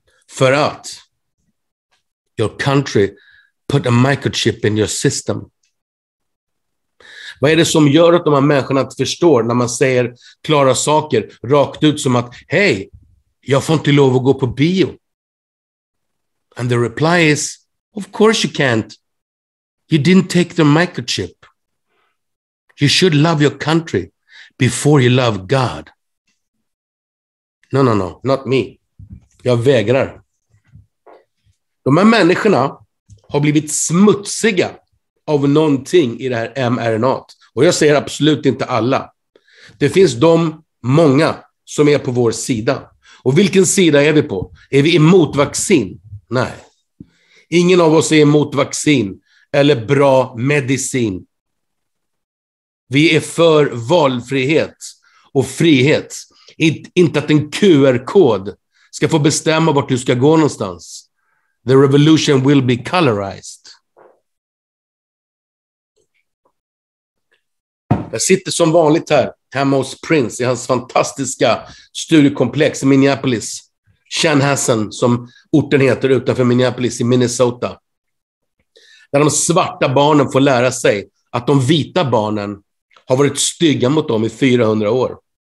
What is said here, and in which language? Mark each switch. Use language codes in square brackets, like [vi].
[sv] För att [en] your country put a microchip in your system. [sv] Vad är det som gör att de här människorna inte förstår när man säger klara saker rakt ut som att hej, jag får inte lov att gå på bio. [en] And the reply is, of course you can't. You didn't take the microchip. You should love your country. Before you love God. No, not me. [sv] Jag vägrar. De här människorna har blivit smutsiga av någonting i det här mRNA. Och jag säger absolut inte alla. Det finns de många som är på vår sida. Och vilken sida är vi på? Är vi emot vaccin? Nej. Ingen av oss är emot vaccin eller bra medicin. Vi är för valfrihet och frihet. Inte att en QR-kod ska få bestämma vart du ska gå någonstans. [en] The revolution will be colorized. [sv] Jag sitter som vanligt här, hemma hos Prince, i hans fantastiska studiekomplex i Minneapolis. Chanhassen, som orten heter utanför Minneapolis i Minnesota. Där de svarta barnen får lära sig att de vita barnen har varit stygga mot dem i 400 år.